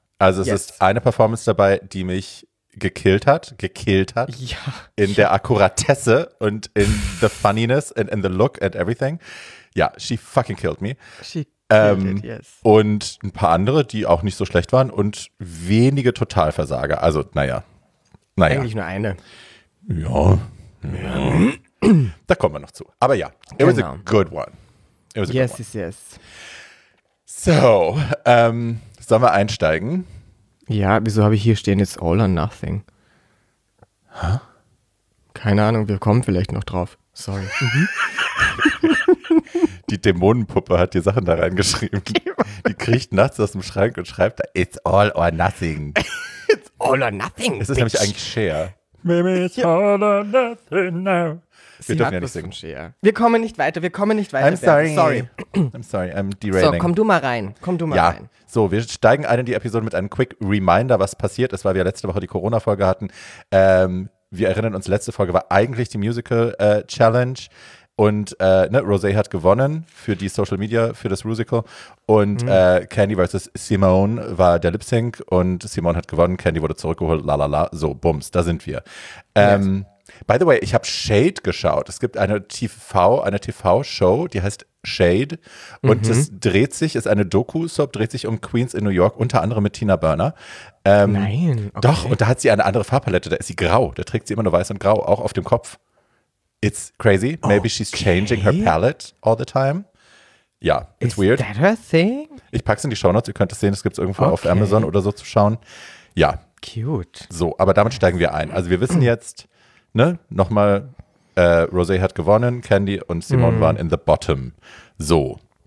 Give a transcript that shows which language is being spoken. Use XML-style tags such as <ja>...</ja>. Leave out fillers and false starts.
<de>Also es ist eine Performance dabei, die mich gekillt hat. Ja. In der Akkuratesse und</de> <en>in the funniness and in the look and everything.</en> <de>Ja,</de> <en>she fucking killed me. She killed it, yes.</en> <de>Und ein paar andere, die auch nicht so schlecht waren und wenige Totalversager. Also, naja. Eigentlich nur eine. Ja. Da kommen wir noch zu. Aber ja,</de> <en>it was a good one. It was a yes, good one. Yes.</en> <de>So, sollen wir einsteigen? Ja, wieso habe ich hier stehen,</de> <en>it's all or nothing? Hä? Huh?</en> <de>Keine Ahnung, wir kommen vielleicht noch drauf.</de> <en>Sorry.</en> <de>Die Dämonenpuppe hat die Sachen da reingeschrieben. Die kriecht nachts aus dem Schrank und schreibt da,</de> <en>it's all or nothing. It's all or nothing,</en> <de>es ist nämlich eigentlich Cher.</de> <en>Maybe it's all or nothing now.</en> <de>Wir dürfen ja nicht singen. Wir kommen nicht weiter.</de> <en>I'm sorry, I'm derailing.</en> <de>So, komm du mal rein. So, wir steigen ein in die Episode mit einem quick Reminder, was passiert ist, weil wir letzte Woche die Corona-Folge hatten. Wir erinnern uns, letzte Folge war eigentlich die Musical-Challenge. Und ne, Rosé hat gewonnen für die Social Media, für das Rusical. Und Candy versus Simone war der Lip Sync und Simone hat gewonnen, Candy wurde zurückgeholt, lalala, so, bums, da sind wir.</de> <en>By the way,</en> <de>ich habe Shade geschaut. Es gibt eine TV-Show, die heißt Shade. Und es dreht sich, ist eine Doku-Soap, dreht sich um Queens in New York, unter anderem mit Tina Burner. Nein. Okay. Doch, und da hat sie eine andere Farbpalette. Da ist sie grau. Da trägt sie immer nur weiß und grau, auch auf dem Kopf.</de> <en>It's crazy. Maybe okay. She's changing her palette all the time. Ja, it's is weird. Is that her thing?</en> <de>Ich packe es in die Shownotes. Ihr könnt es sehen. Es gibt es irgendwo auf Amazon oder so zu schauen. Ja.</de> <en>Cute.</en> <de>So, aber damit steigen wir ein. Also wir wissen jetzt, ne, nochmal, Rosé hat gewonnen, Candy und Simone waren</de> <en>in the bottom.</en> <de>So.</de>